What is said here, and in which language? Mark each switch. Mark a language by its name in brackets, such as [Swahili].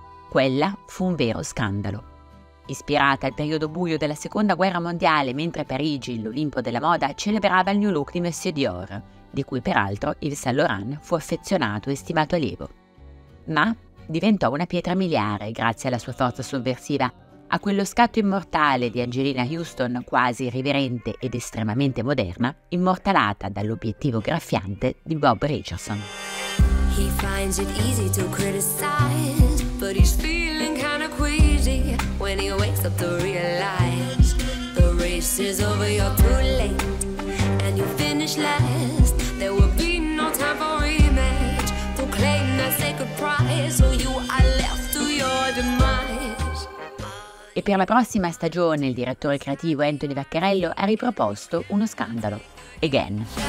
[Italian] Quella fu un vero scandalo. Ispirata al periodo buio della Seconda Guerra Mondiale, mentre Parigi, l'Olimpo della moda, celebrava il new look di Monsieur Dior, di cui peraltro Yves Saint Laurent fu affezionato e stimato allievo. Ma diventò una pietra miliare grazie alla sua forza sovversiva, A quello scatto immortale di Angelina Houston, quasi irriverente ed estremamente moderna, immortalata dall'obiettivo graffiante di Bob Richardson. [English] He finds it easy to criticize, but he's feeling kinda queasy when he wakes up to realize the race is over, you're too late, and you finish last. There will be no time for rematch, to claim that sacred prize, so you are left to your demise. [Italian] E per la prossima stagione il direttore creativo Anthony Vaccarello ha riproposto uno scandalo. Again.